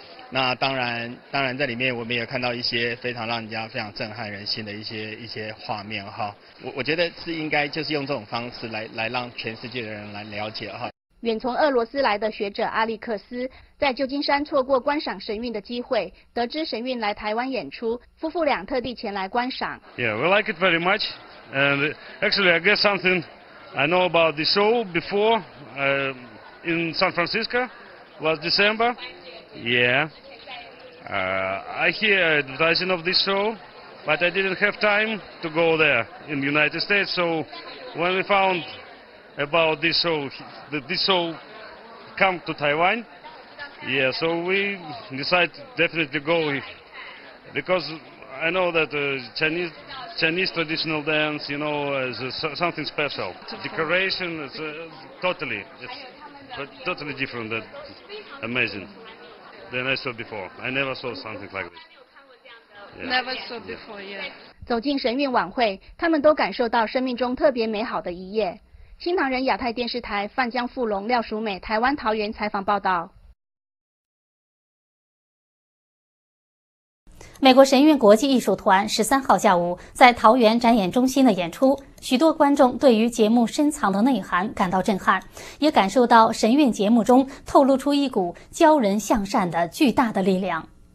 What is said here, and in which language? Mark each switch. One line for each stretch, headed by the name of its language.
Chinese: 那当然在里面我们也看到一些非常让人家非常震撼人心的一些画面哈。我觉得是应该就是用这种方式来让全世界的人来了解哈。远从俄罗斯来的学者阿历克斯在旧金山错过观赏神韵的机会，得知神韵来台湾演出，夫妇俩特地前来观赏。
English: Yeah, we like it very much. And actually, I guess something I know about the show before, in San Francisco, was December. Yeah, I hear advertising of this show, but I didn't have time to go there in the United States. So when we found about this show, that this show come to Taiwan, yeah, so we decided definitely go because I know that Chinese traditional dance, you know, is something special. Decoration is totally different, but amazing. Than I saw before. I never saw something like this. Yeah. Never saw before, yeah.
Chinese: 走进神韵晚会，他们都感受到生命中特别美好的一夜。新唐人亚太电视台范江富隆、廖淑美，台湾桃园采访报道。美国神韵国际艺术团13号下午在桃园展演中心的演出，许多观众对于节目深藏的内涵感到震撼，也感受到神韵节目中透露出一股教人向善的巨大的力量。